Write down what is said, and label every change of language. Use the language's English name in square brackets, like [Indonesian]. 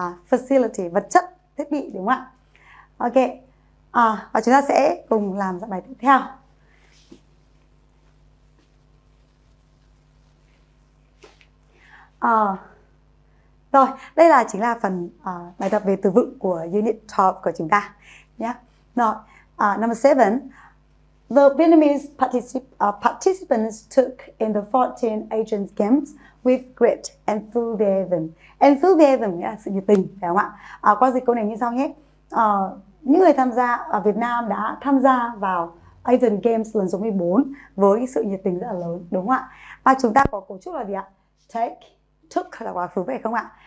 [Vietnamese] Facility, vật chất, thiết bị, đúng không ạ? Ok, và chúng ta sẽ cùng làm dạng bài tiếp theo. Rồi, đây là chính là phần bài tập về từ vựng của Unit 12 của chúng ta. [English] Yeah. Rồi, number 7. The Vietnamese participants took in the 14 Asian Games with great enthusiasm. [Vietnamese] Enthusiasm nghĩa là sự nhiệt tình, phải không ạ? Qua dịch câu này như sau nhé. Những người tham gia ở Việt Nam đã tham gia vào Asian Games lần số 14 với sự nhiệt tình rất là lớn, đúng không ạ? Và chúng ta có cấu trúc là gì ạ? Took là quá khứ, phải không ạ?